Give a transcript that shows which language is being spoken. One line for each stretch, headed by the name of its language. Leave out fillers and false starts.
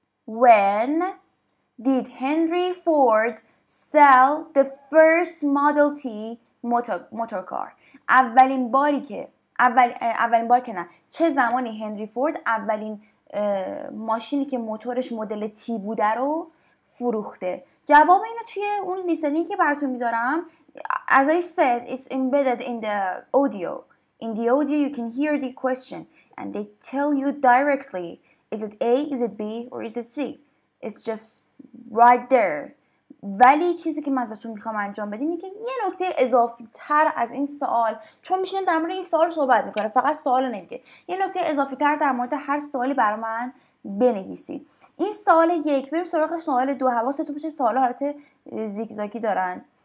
English: When did Henry Ford sell the first Model T motor car؟
Persian: اولین باری که اولین بار که نه چه زمانی هنری فورد اولین ماشینی که موتورش مدل تی بوده رو فروخته. جواب اینو توی اون لیسنی که براتون میذارم.
English: As I said, it's embedded in the audio. In the audio, you can hear the question and they tell you directly, is it A, is it B, or is it C? It's just right there.
Persian: ولی چیزی که من ازتون میخوام انجام بدین اینه که یه نکته اضافی تر از این سوال، چون میشینه در مورد این سوال صحبت میکنه، فقط سوال نمیگه، یه نکته اضافی تر در مورد هر سوالی برای من بنویسید. این سوال یک، بریم سراغ سوال دو. حواستون باشه سوال حالت زیگزاگی دارن.